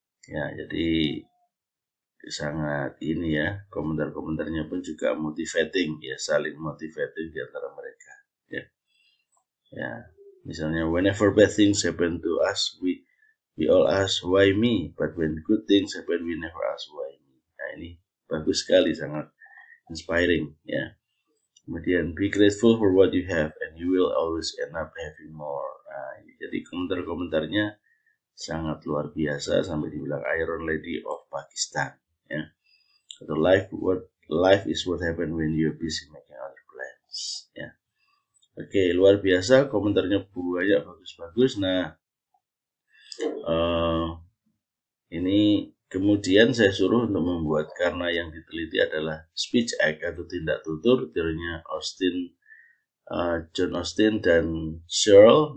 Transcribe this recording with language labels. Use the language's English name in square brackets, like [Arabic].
[Indonesian] Ya, jadi sangat ini, ya, komentar-komentarnya pun juga motivating, ya, saling motivating di antara mereka, ya. Ya, misalnya [English] whenever bad things happen to us, we all ask why me, but when good things happen we never ask why me. [Indonesian] Nah, ini bagus sekali, sangat inspiring, ya. [English] Kemudian be grateful for what you have and you will always end up having more. [Indonesian] Nah, jadi komentar-komentarnya sangat luar biasa, sampai dibilang Iron Lady of Pakistan, ya. [English] Atau life is what happen when you busy making other plans, ya. [Indonesian] Oke, luar biasa, komentarnya banyak, bagus-bagus. Nah, ini kemudian saya suruh untuk membuat, karena yang diteliti adalah speech act atau tindak tutur, teorinya Austin, John Austin dan Searle.